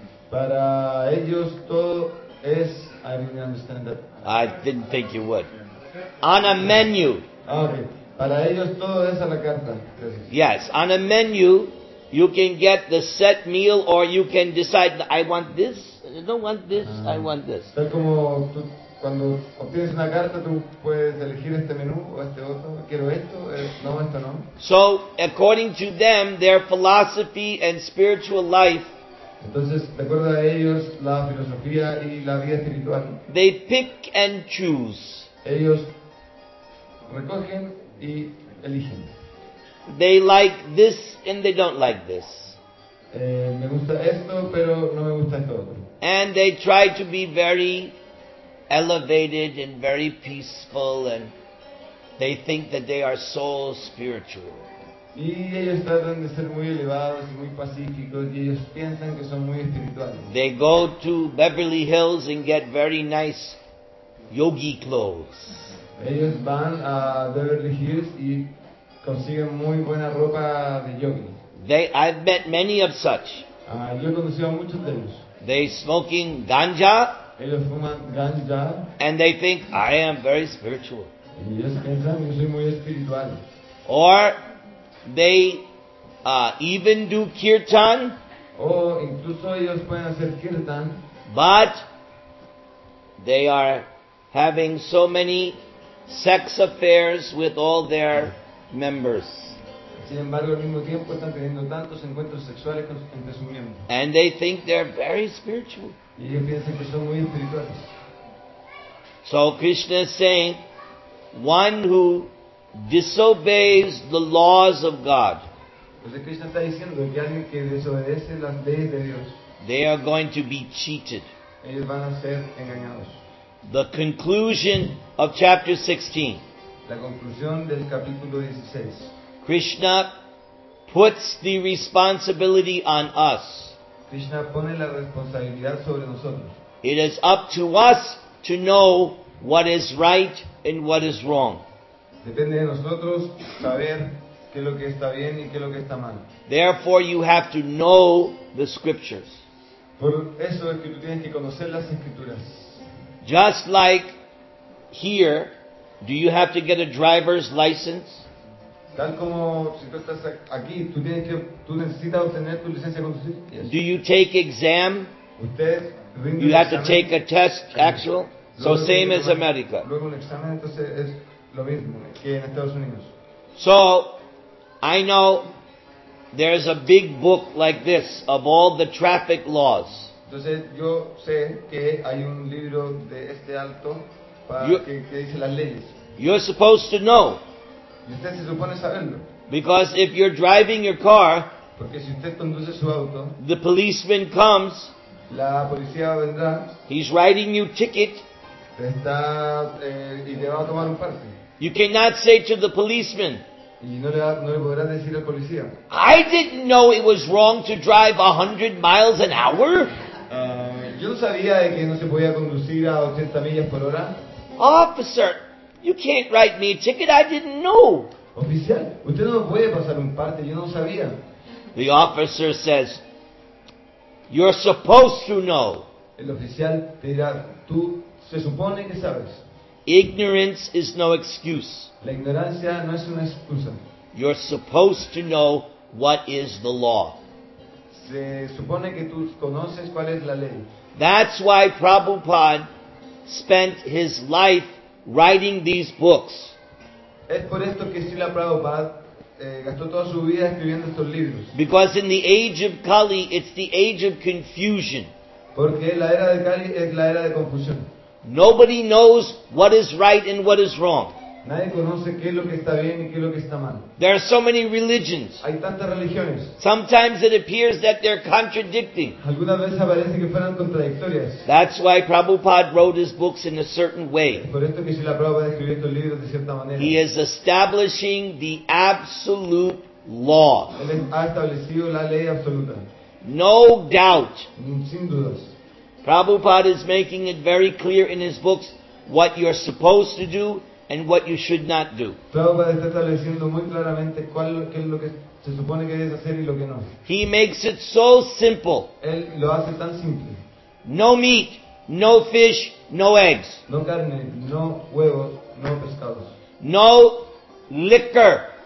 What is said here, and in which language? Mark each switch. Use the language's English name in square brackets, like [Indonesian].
[Spanish] Para ellos todo es, [English] I didn't understand that. I didn't think you would. On a menu. [Spanish] Okay. Para ellos todo es a la carta. [English] Yes, on a menu, you can get the set meal or you can decide, I want this. I don't want this, I want this. [Spanish] Tal como tú cuando obtienes una carta, tú puedes elegir este menú o este otro. Quiero esto, no, esto no. [English] So, according to them, their philosophy and spiritual life. [Spanish] Entonces, de acuerdo a ellos, la filosofía y la vida espiritual. [English] They pick and choose. [Spanish] Ellos recogen y eligen. [English] They like this and they don't like this. [Spanish] Me gusta esto, pero no me gusta esto otro. [English] And they try to be very elevated and very peaceful, and they think that they are so spiritual. [Spanish] Y ellos tratan de ser muy elevados y muy pacíficos, y ellos piensan que son muy espirituales. [English] They go to Beverly Hills and get very nice yogi clothes. [Spanish] Ellos van a Beverly Hills y consiguen muy buena ropa de yogi. [English] I've met many of such. [Spanish] Yo he conocido a muchos de ellos. [English] They smoking ganja. [Spanish] Ellos fuman ganja. [English] And they think, I am very spiritual. [Spanish] Y ellos piensan, yo soy muy espiritual. [English] Or they even do kirtan. [Spanish] O incluso ellos pueden hacer kirtan. [English] But they are having so many sex affairs with all their members. [Spanish] Sin embargo, al mismo tiempo están teniendo tantos encuentros sexuales entre sus miembros. [English] And they think they're very spiritual. [Spanish] Y ellos piensan que son muy espirituales. [English] So Krishna is saying, one who disobeys the laws of God. [Spanish] Entonces Krishna está diciendo que alguien que desobedece las leyes de Dios. [English] They are going to be cheated. [Spanish] Ellos van a ser engañados. [English] The conclusion of chapter 16. [Spanish] La conclusión del capítulo 16. [English] Krishna puts the responsibility on us. [Spanish] Krishna pone la responsabilidad sobre nosotros. [English] It is up to us to know what is right and what is wrong. [Spanish] Depende de nosotros saber qué es lo que está bien y qué es lo que está mal. [English] Therefore, you have to know the scriptures. [Spanish] Por eso es que tú tienes que conocer las escrituras. [English] Just like here, do you have to get a driver's license? [Spanish] Tal como si tú estás aquí, tú necesitas obtener tu licencia de conducir. [English] Yes. Do you take exam? [Spanish] Usted rinde. [English] You have to take a test, actual. Luego, so same as America. [Spanish] Luego un examen, entonces es lo mismo que en Estados Unidos. [English] So I know there's a big book like this of all the traffic laws. [Spanish] Entonces yo sé que hay un libro de este alto que dice las leyes. [English] You're supposed to know. [Spanish] Usted se supone saberlo. [English] Because if you're driving your car, [Spanish] porque si usted conduce su auto, [English] the policeman comes, [Spanish] la policía vendrá, [English] he's writing you ticket, [Spanish] está, y le va a tomar un parte. [English] You cannot say to the policeman, [Spanish] y no le podrá decir al policía, [English] I didn't know it was wrong to drive 100 miles an hour. [Spanish] Yo no sabía de que no se podía conducir a 80 millas por hora. [English] Officer, you can't write me a ticket, I didn't know. [Spanish] Oficial, usted no puede pasar un parte, yo no sabía. [English] The officer says, you're supposed to know. [Spanish] El oficial te dirá, tú se supone que sabes. [English] Ignorance is no excuse. [Spanish] La ignorancia no es una excusa. [English] You're supposed to know what is the law. [Spanish] Se supone que tú conoces cuál es la ley. [English] That's why Prabhupada spent his life writing these books. [Spanish] Es por esto que Srila Prabhupada gastó toda su vida escribiendo estos libros. [English] Because in the age of Kali, it's the age of confusion. [Spanish] Porque la era de Kali es la era de confusión. [English] Nobody knows what is right and what is wrong. [Spanish] Nadie conoce qué es lo que está bien y qué es lo que está mal. [English] There are so many religions. [Spanish] Hay tantas religiones. [English] Sometimes it appears that they're contradicting. [Spanish] Algunas veces parece que fueran contradictorias. [English] That's why Prabhupada wrote his books in a certain way. [Spanish] Por esto que Srila Prabhupada escribió estos libros de cierta manera. [English] He is establishing the absolute law. [Spanish] Él ha establecido la ley absoluta. [English] No doubt. [Spanish] Sin dudas. [English] Prabhupada is making it very clear in his books what you're supposed to do and what you should not do. [Spanish] Prabhupada está estableciendo muy claramente cuál es lo que se supone que debes hacer y lo que no. [English] He makes it so simple. [Spanish] Él lo hace tan simple. [English] No meat, no fish, no eggs. [Spanish] No carne, no huevos, no pescados. [English] No liquor.